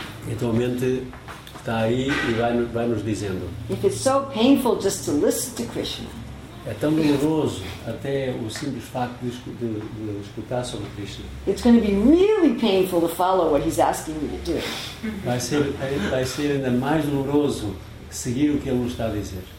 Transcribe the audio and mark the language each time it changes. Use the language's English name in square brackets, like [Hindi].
[Portuguese] E tua mente está aí e vai nos dizendo. [English] If it's so painful just to listen to Krishna. [Portuguese] É tão doloroso até o simples facto de escutar sobre Krishna. [English] It's going to be really painful to follow what he's asking you to do. [Portuguese] Vai ser ainda mais doloroso seguir o que ele nos está a dizer.